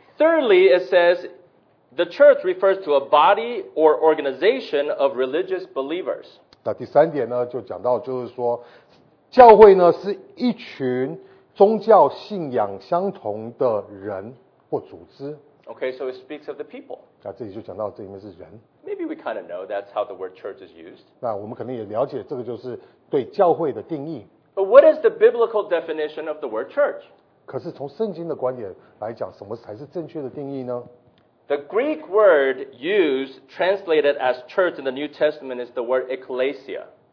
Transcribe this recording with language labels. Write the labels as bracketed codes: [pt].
[en] Thirdly, it says the church refers to a body or organization of religious believers. [zh] 那第三点呢就讲到就是说教会呢是一群宗教信仰相同的人或组织。 [en] Okay, so it speaks of the people. [zh] 那这里就讲到这里面是人。 [en] Maybe we kind of know that's how the word church is used. [zh] 那我们肯定也了解这个就是对教会的定义。 [en] But what is the biblical definition of the word church? [zh] 可是从圣经的观点来讲, 什么才是正确的定义呢? [en] The Greek word used, translated as church in the New Testament, is the word ecclesia.